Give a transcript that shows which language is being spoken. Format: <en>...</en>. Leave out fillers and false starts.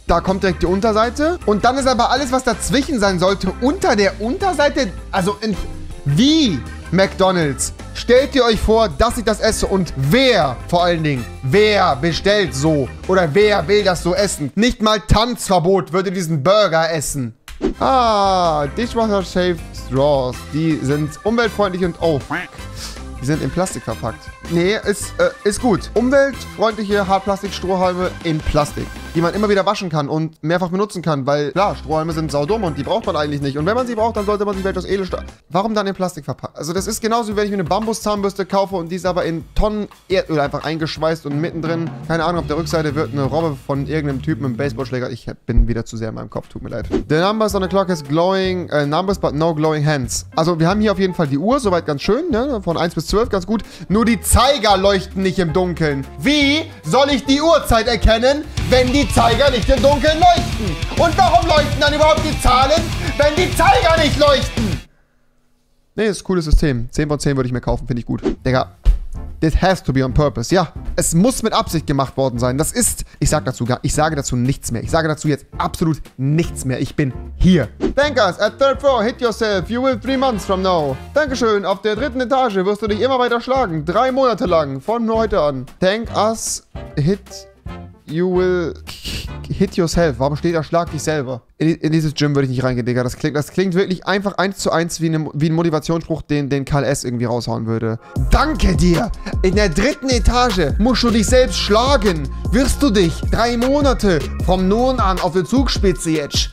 <de>Da kommt direkt die Unterseite. Und dann ist aber alles, was dazwischen sein sollte, unter der Unterseite. Also in wie, McDonald's? Stellt ihr euch vor, dass ich das esse? Und wer, vor allen Dingen, wer bestellt so? Oder wer will das so essen? Nicht mal Tanzverbot würde diesen Burger essen.</de> <en>Ah, Dishwasher Safe Straws.</en> <de>Die sind umweltfreundlich und... Oh, die sind in Plastik verpackt. Nee, ist gut. Umweltfreundliche Hartplastik-Strohhalme in Plastik, die man immer wieder waschen kann und mehrfach benutzen kann, weil, klar, Strohhalme sind saudumm und die braucht man eigentlich nicht. Und wenn man sie braucht, dann sollte man sie vielleicht aus Edelstahl... Warum dann in Plastik verpacken? Also das ist genauso, wie wenn ich mir eine Bambuszahnbürste kaufe und die ist aber in Tonnen Erdöl einfach eingeschweißt und mittendrin, keine Ahnung, auf der Rückseite wird eine Robbe von irgendeinem Typen mit einem Baseballschläger. Ich bin wieder zu sehr in meinem Kopf, tut mir leid.</de> <en>The numbers on the clock is glowing, numbers but no glowing hands.</en> <de>Also wir haben hier auf jeden Fall die Uhr, soweit ganz schön, ne? Von 1 bis 12 ganz gut. Nur die Zeiger leuchten nicht im Dunkeln. Wie soll ich die Uhrzeit erkennen, wenn die Zeiger nicht im Dunkeln leuchten? Und warum leuchten dann überhaupt die Zahlen, wenn die Zeiger nicht leuchten? Nee, ist ein cooles System. 10 von 10 würde ich mir kaufen, finde ich gut.</de> <en>Digga, this has to be on purpose.</en> <de>Ja, Es muss mit Absicht gemacht worden sein. Das ist, ich sage dazu nichts mehr. Ich sage dazu jetzt absolut nichts mehr. Ich bin hier.</de> <en>Bankers, at third floor, hit yourself. You will 3 months from now.</en> <de>Dankeschön. Auf der dritten Etage wirst du dich immer weiter schlagen. 3 Monate lang. Von heute an.</de> <en>Thank us, hit, you will hit yourself.</en> <de>Warum steht da, schlag dich selber? In dieses Gym würde ich nicht reingehen, Digga. Das klingt wirklich einfach 1:1 wie ein Motivationsspruch, den Karl S. irgendwie raushauen würde. Danke dir! In der dritten Etage musst du dich selbst schlagen. Wirst du dich 3 Monate vom nun an auf der Zugspitze jetzt.</de>